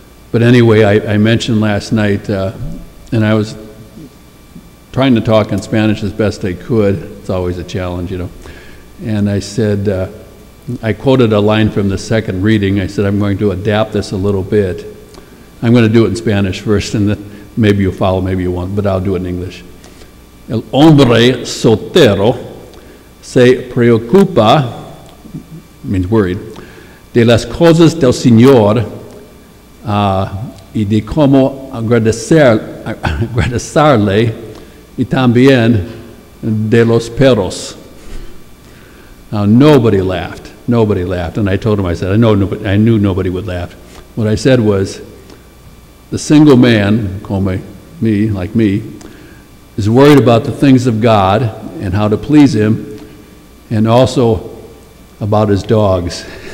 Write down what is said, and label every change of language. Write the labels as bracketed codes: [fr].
[en] But anyway, I mentioned last night, and I was trying to talk in Spanish as best I could. It's always a challenge, you know. And I said, I quoted a line from the second reading. I said, I'm going to adapt this a little bit. I'm going to do it in Spanish first, and then maybe you'll follow, maybe you won't, but I'll do it in English. [es] El hombre soltero se preocupa, [en] means worried, [es] de las cosas del Señor y de cómo agradecerle y también de los perros. [en] Now, nobody laughed. Nobody laughed. And I told him, I said, I knew nobody would laugh. What I said was, the single man, like me, is worried about the things of God and how to please him, and also about his dogs.